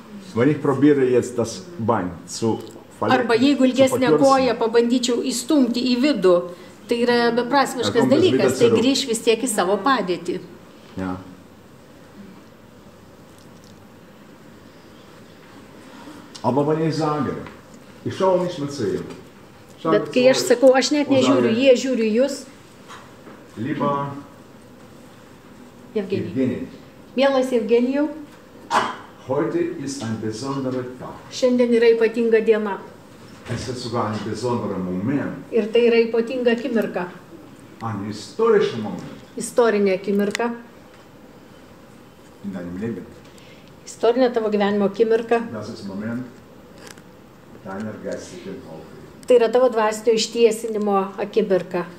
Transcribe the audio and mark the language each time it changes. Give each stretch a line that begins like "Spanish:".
German: Man ich probiere jetzt das Bein zu...
Lithuanian: Arba jeigu ilgesnė koja pabandyčiau įstumti į vidų, tai yra beprasmiškas dalykas, tai grįž vis tiek į savo padėtį.
German: Ja. Aber wenn ich sage, ich schaue nicht mit sie.
Lithuanian: Bet kai aš sakau, aš net nežiūriu, jie žiūriu jūs.
German: Lieba
Lithuanian: Evgenijau. Mielas Evgenijau.
German: Heute ist ein besonderer Tag.
Lithuanian: Šiandien yra ypatinga diena.
German: Es ist sogar ein besonderer Moment.
Lithuanian: Ir tai yra ypatinga akimirka.
German: Ein historischer Moment.
Lithuanian: Istorinė akimirka.
German: In deinem Leben.
Lithuanian: Istorinė tavo gyvenimo akimirka.
German: Das ist Moment deiner geistigen Aufrichtung.
Lithuanian: Tai yra tavo dvasinio ištiesinimo akimirka.